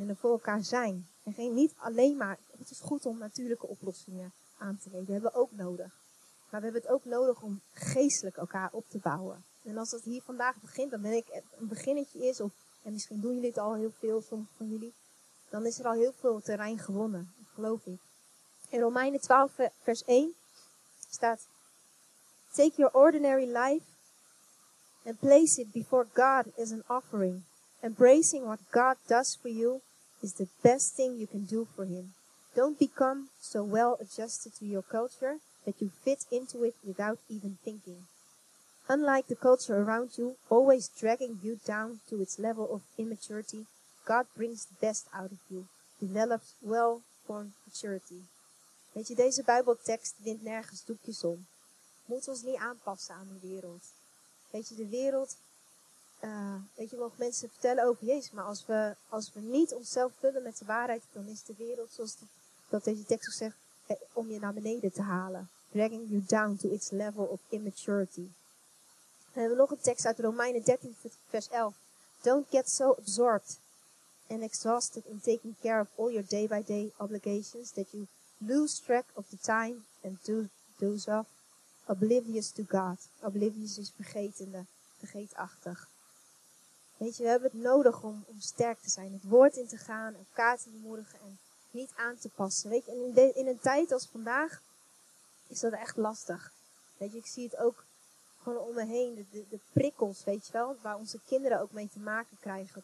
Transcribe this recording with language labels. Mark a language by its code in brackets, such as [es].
[nl] En er voor elkaar zijn. En geen niet alleen maar. Het is goed om natuurlijke oplossingen aan te nemen. Dat hebben we ook nodig. Maar we hebben het ook nodig om geestelijk elkaar op te bouwen. En als dat hier vandaag begint, dan ben ik een beginnetje is of... En misschien doen jullie het al heel veel, sommigen van jullie. Dan is er al heel veel terrein gewonnen, geloof ik. In Romeinen 12 vers 1 staat... [en] Take your ordinary life and place it before God as an offering. Embracing what God does for you is the best thing you can do for him. Don't become so well adjusted to your culture that you fit into it without even thinking. Unlike the culture around you, always dragging you down to its level of immaturity, God brings the best out of you. Develops well-formed maturity. [nl] Weet je, deze Bijbeltekst wint nergens doekjes om. moeten ons niet aanpassen aan de wereld. Weet je, de wereld... Weet je, mogen mensen vertellen over Jezus. Maar als we niet onszelf vullen met de waarheid, dan is de wereld, zoals dat deze tekst ook zegt, om je naar beneden te halen. [en] Dragging you down to its level of immaturity. [nl] Dan hebben we nog een tekst uit Romeinen 13, vers 11. [en] Don't get so absorbed and exhausted in taking care of all your day-by-day obligations that you lose track of the time and doze off, oblivious to God. [nl] Oblivious is vergetende, vergeetachtig. Weet je, we hebben het nodig om sterk te zijn. Het woord in te gaan, elkaar te bemoedigen en niet aan te passen. Weet je, en in een tijd als vandaag is dat echt lastig. Weet je, ik zie het ook gewoon om me heen. De prikkels, weet je wel, waar onze kinderen ook mee te maken krijgen.